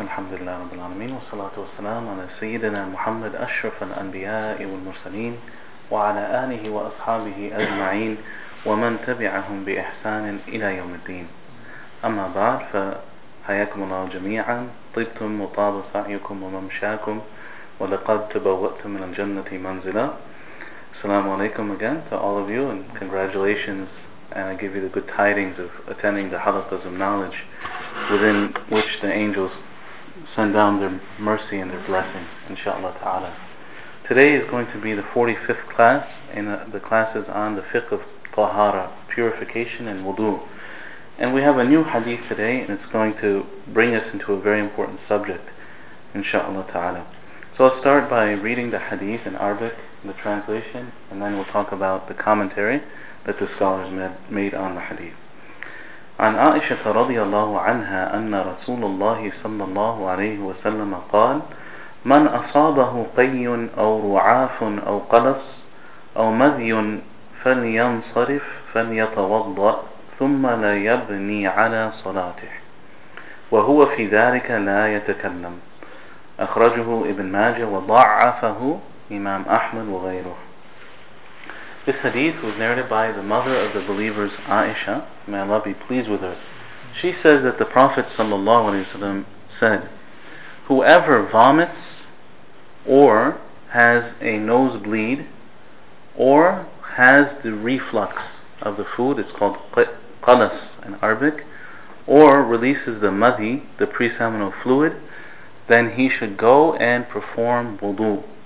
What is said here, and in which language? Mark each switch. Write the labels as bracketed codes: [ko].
[ar] الحمد لله رب العالمين، والصلاة والسلام على سيدنا محمد أشرف الأنبياء والمرسلين، وعلى آله وأصحابه أجمعين، ومن تبعهم بإحسان إلى يوم الدين. أما بعد، فحياكم الله جميعا، طبتم وطاب سعيكم وممشاكم، ولقد تبوأتم من الجنة منزلا. [en] السلام عليكم again to all of you, and congratulations, and I give you the good tidings of attending the Halaqas of Knowledge, within which the angels send down their mercy and their blessing, inshaAllah ta'ala. Today is going to be the 45th class in the classes on the fiqh of tahara, purification and wudu. And we have a new hadith today, and it's going to bring us into a very important subject, inshaAllah ta'ala. So I'll start by reading the hadith in Arabic, the translation, and then we'll talk about the commentary that the scholars made on the hadith. [ar] عن عائشة رضي الله عنها أن رسول الله صلى الله عليه وسلم قال من أصابه قي أو رعاف أو قلص أو مذي فلينصرف فليتوضأ ثم لا يبني على صلاته وهو في ذلك لا يتكلم. أخرجه ابن ماجه وضعفه إمام أحمد وغيره. [en] This hadith was narrated by the mother of the believers, Aisha, may Allah be pleased with her. She says that the Prophet ﷺ said, whoever vomits or has a nosebleed or has the reflux of the food, it's called qalas in Arabic, or releases the madhi, the pre-seminal fluid, then he should go and perform wudu.